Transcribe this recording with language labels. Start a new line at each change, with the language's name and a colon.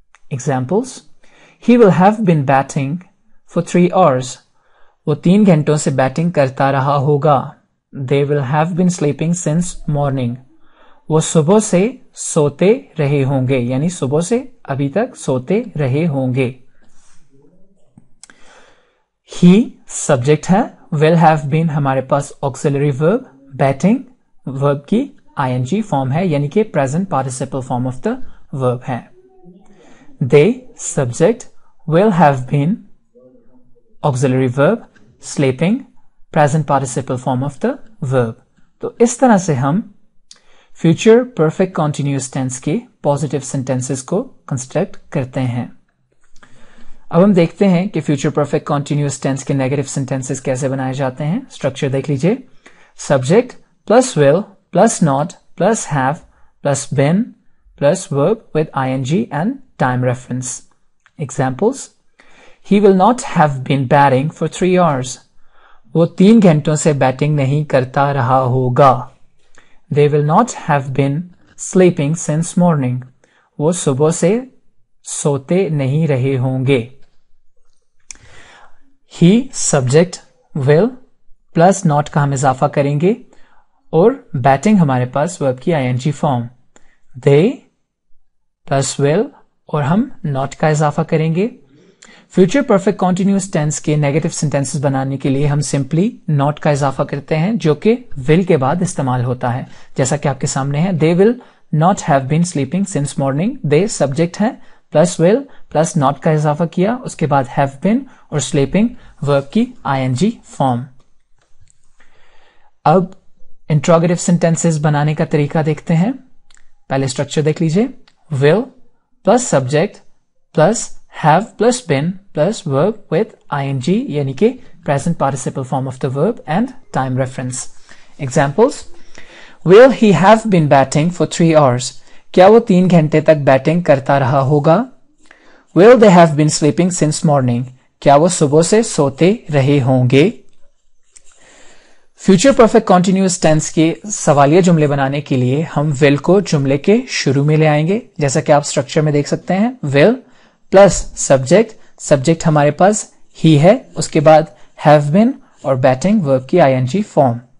English: Examples: He will have been batting for 3 hours.
Urdu: وہ 3 گھنٹوں سے بیٹنگ کرتا رہا ہوگا.
English: They will have been sleeping since morning.
Urdu: وہ صبح سے سوتے رہے ہوں گے، یعنی صبح سے ابھی تک سوتے رہے ہوں گے.
English: He subject ہے، will have been
Urdu: ہمارے پاس
English: auxiliary verb، batting verb کی ing form ہے،
Urdu: یعنی کہ
English: present participle form of the verb ہے. They subject will have been auxiliary verb, sleeping present participle form of the verb.
Urdu: تو اس طرح سے ہم فیوچر پرفیکٹ کنٹینیوس ٹینس کے پازیٹیو سینٹینسز کو کنسٹرکٹ کرتے ہیں. اب ہم دیکھتے ہیں کہ فیوچر پرفیکٹ کنٹینیوس ٹینس کے نیگیٹو سینٹینسز کیسے بنائے جاتے ہیں. اسٹرکچر دیکھ لیجیے.
English: Subject plus will plus not plus have plus been plus verb with ing and time reference. Examples: He will not have been batting for 3 hours.
Urdu: وہ 3 گھنٹوں سے بیٹنگ نہیں کرتا رہا ہوگا.
English: They will not have been sleeping since morning.
Urdu: وہ صبح سے سوتے نہیں رہے ہوں گے.
English: He subject will plus not
Urdu: کا ہم اضافہ کریں گے اور batting ہمارے پاس verb کی ing form.
English: They
Urdu: plus will اور ہم ناٹ کا اضافہ کریں گے. فیوچر پرفیکٹ کنٹینیوس ٹینس کے نیگیٹو سینٹینسز بنانے کے لیے ہم سمپلی ناٹ کا اضافہ کرتے ہیں جو کہ ول کے بعد استعمال ہوتا ہے، جیسا کہ آپ کے سامنے ہے.
English: They will not have been sleeping since morning.
Urdu: They subject ہے، پلس ول پلس ناٹ کا اضافہ کیا، اس کے بعد ہیو بین اور سلیپنگ ورب کی آئی این جی فارم. اب انٹروگیٹو سینٹینسز بنانے کا طریقہ دیکھتے ہیں. پہلے اسٹرکچر دیکھ لیجیے.
English: will plus subject plus have plus been plus verb with ing
Urdu: یعنی کہ
English: present participle form of the verb and time reference. Examples: will he have been batting for 3 hours?
Urdu: کیا وہ 3 گھنٹے تک بیٹنگ کرتا رہا ہوگا.
English: will they have been sleeping since morning?
Urdu: کیا وہ صبح سے سوتے رہے ہوں گے. فیوچر پرفیکٹ کنٹینیوس ٹینس کے سوالیہ جملے بنانے کے لیے ہم ول کو جملے کے شروع میں لے آئیں گے، جیسا کہ آپ اسٹرکچر میں دیکھ سکتے ہیں. ول پلس سبجیکٹ، سبجیکٹ ہمارے پاس ہی ہے، اس کے بعد ہیو بین اور بیٹنگ ورب کی آئی این جی فارم.